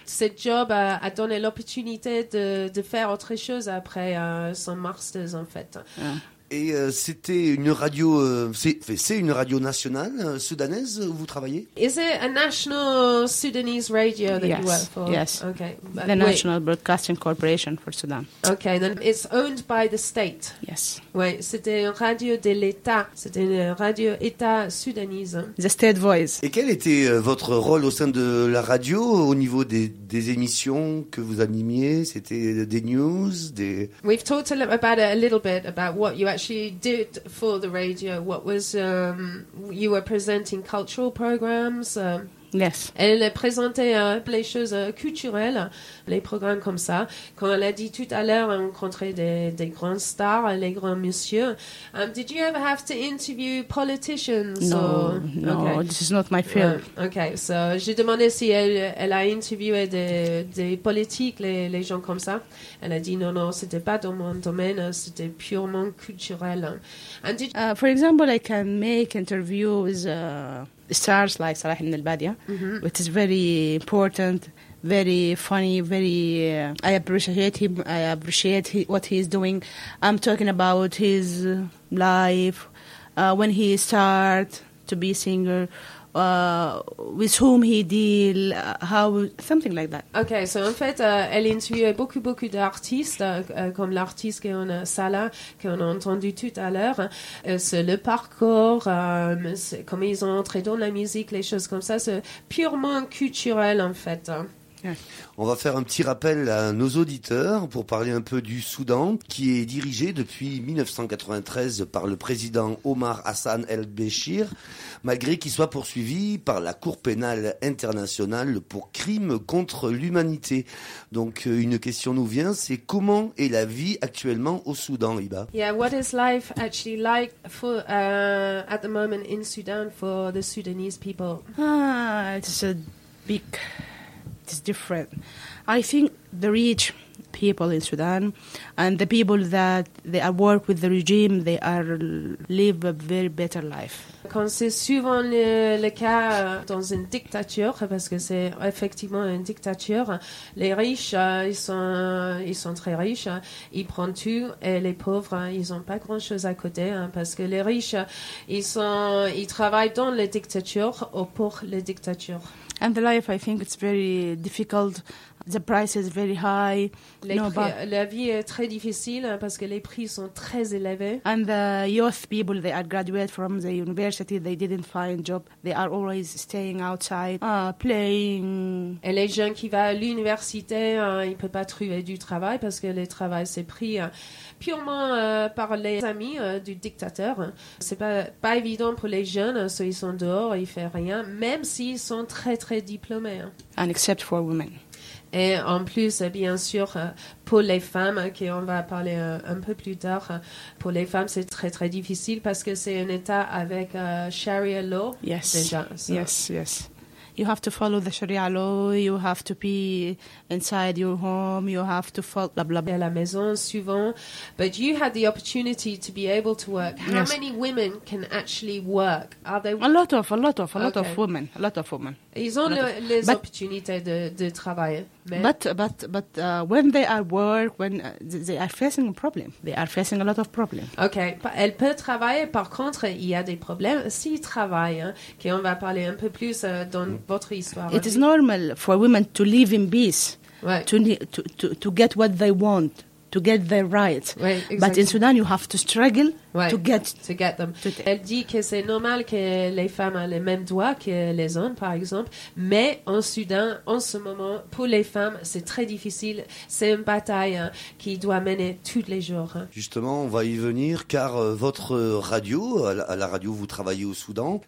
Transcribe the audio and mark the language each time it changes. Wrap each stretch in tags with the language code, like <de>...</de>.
<fr>Ce job a donné l'opportunité de faire autre chose après son master en fait.</fr> <en>Yeah.</en> <fr>Et c'était une radio, c'est une radio nationale soudanaise où vous travaillez?</fr> <en>Is it a national Sudanese radio that yes. you work for? Yes, okay. The National Broadcasting Corporation for Sudan. Okay, then it's owned by the state. Yes.</en> <fr>Oui, c'était une radio de l'État, c'était une radio État soudanise.</fr> <en>The state voice.</en> <fr>Et quel était votre rôle au sein de la radio au niveau des émissions que vous animiez? C'était des news, des...</fr> <en>We've talked a little bit about what you actually did for the radio. What was you were presenting cultural programs? Yes.</en> <fr>Elle présentait les choses culturelles, les programmes comme ça. Comme elle a dit tout à l'heure, elle a rencontré des grands stars, les grands messieurs.</fr> <en>Did you ever have to interview politicians? No, okay. This is not my field.</en> <fr>Okay, so j'ai demandé si elle a interviewé des politiques, les gens comme ça. Elle a dit non, c'était pas dans mon domaine, c'était purement culturel.</fr> <en>And for example, I can make interviews stars like Salah Ibn Al-Badia, mm-hmm. which is very important, very funny, very... I appreciate him, I appreciate what he's doing. I'm talking about his life, when he start to be a singer, with whom he deal, how... something like that.</en> <fr>Okay, so en fait, elle interviewait beaucoup d'artistes, comme l'artiste qu'on a, Salah, qu'on a entendu tout à l'heure. C'est le parcours, c'est comment ils ont entré dans la musique, les choses comme ça, c'est purement culturel, en fait. On va faire un petit rappel à nos auditeurs pour parler un peu du Soudan qui est dirigé depuis 1993 par le président Omar Hassan el-Béchir malgré qu'il soit poursuivi par la Cour pénale internationale pour crimes contre l'humanité. Donc une question nous vient, c'est comment est la vie actuellement au Soudan, Iba?</fr> <en>Yeah, what is life actually like for at the moment in Sudan for the Sudanese people? It's a big... It's different. I think the rich people in Sudan and the people that they work with the regime, they are live a very better life.</en> <fr>Quand c'est souvent le cas dans une dictature, parce que c'est effectivement une dictature, les riches, ils sont très riches, ils prennent tout, et les pauvres, ils n'ont pas grand-chose à côté, hein, parce que les riches, ils travaillent dans la dictature ou pour la dictature.</fr> <en>And the life, I think, it's very difficult. The price is very high.</en> <fr>La vie est très difficile parce que les prix sont très élevés.</fr> <en>And the youth people, they are graduated from the university, they didn't find a job. They are always staying outside, playing.</en> <fr>Et les jeunes qui vont à l'université, ils ne peuvent pas trouver du travail parce que le travail, c'est pris purement par les amis du dictateur. Ce n'est pas évident pour les jeunes, so ils sont dehors, ils ne font rien, même s'ils sont très, très diplômés.</fr> <en>And except for women.</en> <fr>Et en plus, bien sûr, pour les femmes, qu'on va parler un peu plus tard, pour les femmes, c'est très, très difficile parce que c'est un état avec Sharia law,</fr> <en>yes.</en> <fr>déjà.</fr> <en>So. Yes, yes. You have to follow the Sharia law. You have to be inside your home. You have to follow blah blah blah.</en> <fr>À la maison souvent,</fr> <en>but you had the opportunity to be able to work. How yes. many women can actually work? Are there a lot of women? A lot of women.</en> <fr>Ils ont les but, opportunités de travailler.</fr> <en>Mais but when they are work, when they are facing a problem, they are facing a lot of problems.</en> <fr>Okay, elle peut travailler. Par contre, il y a des problèmes. S'il travaille, hein, qu'on va parler un peu plus dans votre histoire.</fr> <en>It is normal for women to live in peace, right. to get what they want, to get their rights. Right, exactly. But in Sudan, you have to struggle right. to get them.</en> <fr>Elle dit que c'est normal que les femmes aient les mêmes droits que les hommes, par exemple. Mais en Sudan, en ce moment, pour les femmes, c'est très difficile. C'est une bataille hein, qui doit mener tous les jours. Hein. Justement, on va y venir car votre radio, à la radio, vous travaillez au Soudan.</fr>